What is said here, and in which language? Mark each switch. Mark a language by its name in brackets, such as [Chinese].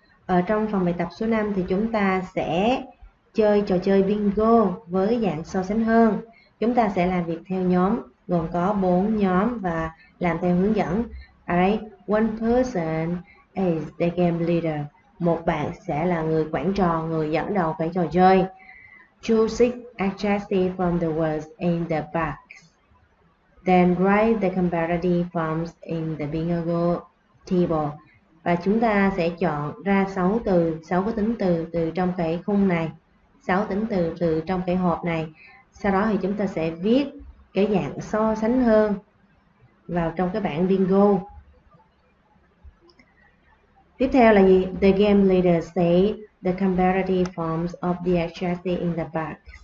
[Vietnamese] Ở trong phòng bài tập số 5 thì chúng ta sẽ chơi trò chơi bingo với dạng so sánh hơn. Chúng ta sẽ làm việc theo nhóm, gồm có 4 nhóm và làm theo hướng dẫn. [English] Alright, one person is the game leader. [Vietnamese] Một bạn sẽ là người quản trò, người dẫn đầu cái trò chơi. [English] Choose six HSD from the words in the box. Then write the comparative forms in the bingo table. [Vietnamese] Và chúng ta sẽ chọn ra 6 từ, 6 cái tính từ từ trong cái khung này. 6 tính từ từ trong cái hộp này. Sau đó thì chúng ta sẽ viết cái dạng so sánh hơn vào trong cái bảng bingo. Tiếp theo là gì? [English] The game leader say the comparative forms of the HSD in the box.